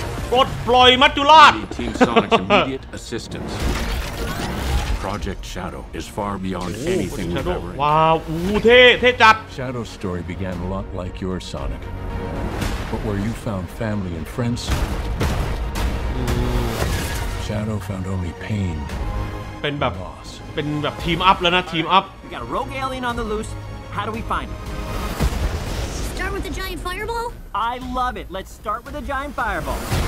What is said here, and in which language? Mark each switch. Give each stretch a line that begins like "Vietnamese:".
Thai: ปลดปล่อยมัจจุราช
English: Team Sonic's immediate assistance. Project Shadow is far beyond anything we've ever.
Thai: ว้าวอู้เท่จัด
English: Shadow's story began a lot like your Sonic. But where you found family and friends. Shadow found only pain.
Thai: เป็นแบบเป็นแบบทีมอัพแล้วนะทีมอัพ
English: We got a rogue alien on the loose. How do we find him? Start with a giant fireball. I love it. Let's start with a giant fireball.